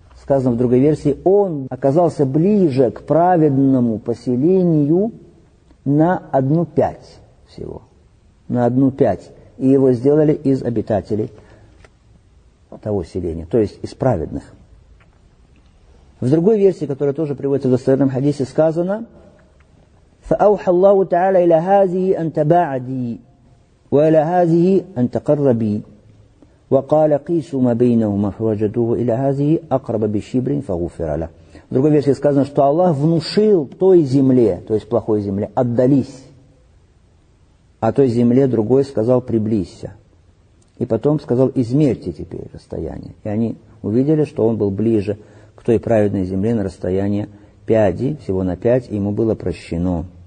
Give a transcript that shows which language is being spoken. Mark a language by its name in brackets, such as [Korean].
[Russian] Сказано в другой версии: он оказался ближе к праведному поселению на 1/5 всего. На 1/5. И его сделали из обитателей того селения, то есть из праведных. В другой версии, которая тоже приводится в достоверном хадисе, сказано: [Arabic] فأوحى الله تعالى إلى هذه أن تباعدي وإلى هذه أن تقربي وقال قيسوا ما بينهما فوجدوه إلى هذه أقرب بشبر فغفر له. [Russian] В другой версии сказано, что Аллах внушил той земле, то есть плохой земле, отдались, а той земле другой сказал: приблизься. И потом сказал: измерьте теперь расстояние. И они увидели, что он был ближе к той праведной земле на расстояние пяди, всего на пять, и ему было прощено.